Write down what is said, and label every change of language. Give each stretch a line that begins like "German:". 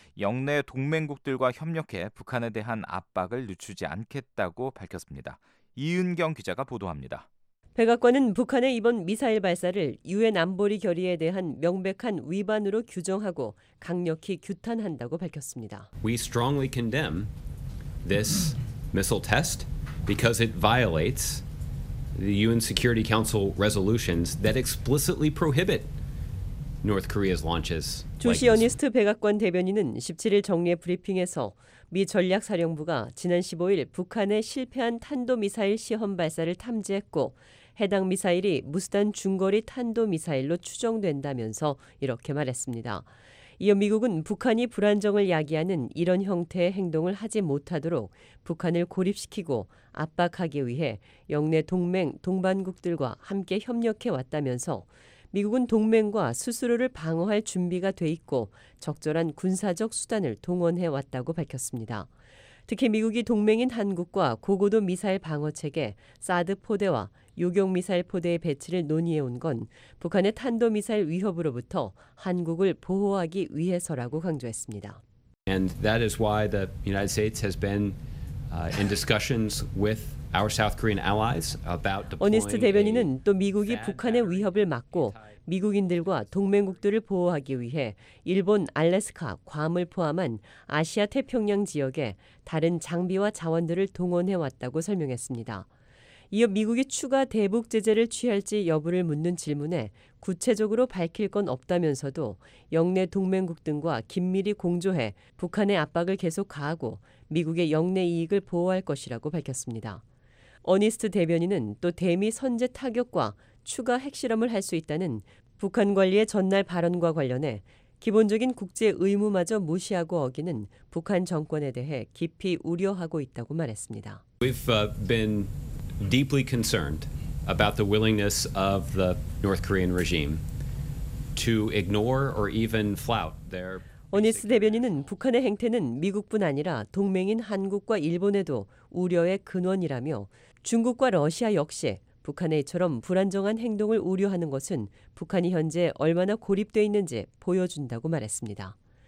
Korean: 영내 동맹국들과 협력해 북한에 대한 압박을 늦추지 않겠다고 밝혔습니다. 이은경 기자가 보도합니다. 백악관은 북한의 이번 미사일 발사를 유엔 안보리 결의에 대한 명백한 위반으로 규정하고 강력히 규탄한다고 밝혔습니다.
English: We strongly condemn this missile test because it violates the UN Security Council resolutions that explicitly prohibit North Korea's launches.
Korean: 조시 어니스트 백악관 대변인은 17일 정례 브리핑에서 미 전략사령부가 지난 15일 북한의 실패한 탄도미사일 시험 발사를 탐지했고 해당 미사일이 무수단 중거리 탄도미사일로 추정된다면서 이렇게 말했습니다. 이어 미국은 북한이 불안정을 야기하는 이런 형태의 행동을 하지 못하도록 북한을 고립시키고 압박하기 위해 영내 동맹, 동반국들과 함께 협력해왔다면서 미국은 동맹과 스스로를 방어할 준비가 돼 있고 적절한 군사적 수단을 동원해왔다고 밝혔습니다. 특히 미국이 동맹인 한국과 고고도 미사일 방어체계, 사드 포대와 요격미사일 포대의 배치를 논의해온 건 북한의 탄도미사일 위협으로부터 한국을 보호하기 위해서라고 강조했습니다.
English: And that is why the United States has been in discussions with our South Korean allies about deploying.
Korean: 어니스트 대변인은 또 미국이 북한의 위협을 막고 미국인들과 동맹국들을 보호하기 위해 일본 알래스카, 괌을 포함한 아시아 태평양 지역에 다른 장비와 자원들을 동원해왔다고 설명했습니다. 이어 미국이 추가 대북 제재를 취할지 여부를 묻는 질문에 구체적으로 밝힐 건 없다면서도 영내 동맹국 등과 긴밀히 공조해 북한의 압박을 계속 가하고 미국의 영내 이익을 보호할 것이라고 밝혔습니다. 어니스트 대변인은 또 대미 선제 타격과 추가 핵실험을 할 수 있다는 북한 관리의 전날 발언과 관련해 기본적인 국제 의무마저 무시하고 어기는 북한 정권에 대해 깊이 우려하고 있다고 말했습니다.
English: We've been deeply concerned about the willingness of the North Korean regime to ignore or even flout their.
Korean: 어니스 대변인은 북한의 행태는 미국뿐 아니라 동맹인 한국과 일본에도 우려의 근원이라며 중국과 러시아 역시 북한의 이처럼 불안정한 행동을 우려하는 것은 북한이 현재 얼마나 고립되어 있는지 보여준다고 말했습니다.